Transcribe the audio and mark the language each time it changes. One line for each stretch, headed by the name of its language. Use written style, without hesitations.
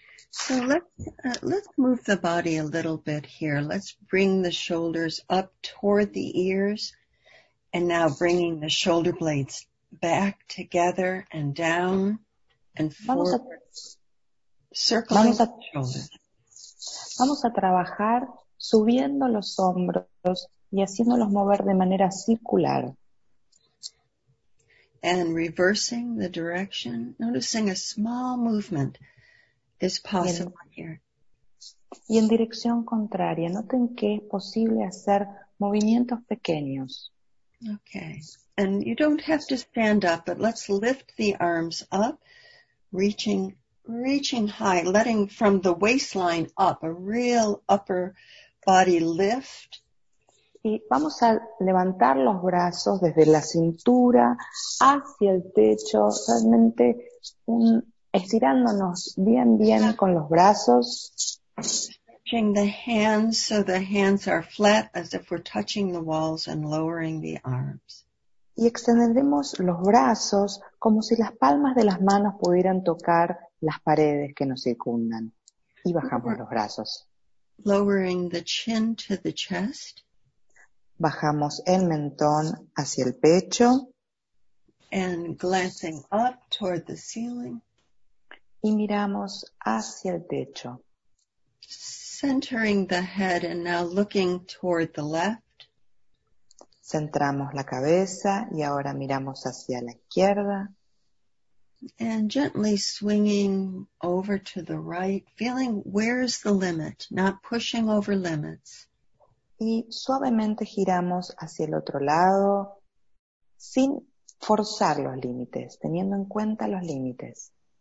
English: So let's move the body a little bit here. Let's bring the shoulders up toward the ears. And now bringing the shoulder blades back together and down and forward. Circling the shoulders.
Spanish: Vamos a trabajar subiendo los hombros y haciéndolos mover de manera circular.
English: and reversing the direction, noticing a small movement is possible here.
Spanish: Y en dirección contraria, noten que es posible hacer movimientos pequeños.
English: Okay. And you don't have to stand up, but let's lift the arms up, reaching high, letting from the waistline up, a real upper body lift.
Spanish: Y vamos a levantar los brazos desde la cintura hacia el techo, realmente estirándonos bien, bien con los brazos.
English: Stretching the hands so the hands are flat as if we're touching the walls and lowering the arms.
Spanish: Y extenderemos los brazos como si las palmas de las manos pudieran tocar las paredes que nos circundan. Y bajamos los brazos.
English: Lowering the chin to the chest.
Spanish: Bajamos el mentón hacia el pecho.
English: And glancing up toward the ceiling.
Spanish: Y miramos hacia el techo.
English: Centering the head and now looking toward the left.
Spanish: Centramos la cabeza y ahora miramos hacia la izquierda.
English: And gently swinging over to the right, feeling where's the limit, not pushing over limits.
Spanish: Y suavemente giramos hacia el otro lado, sin forzar los límites, teniendo en cuenta los límites.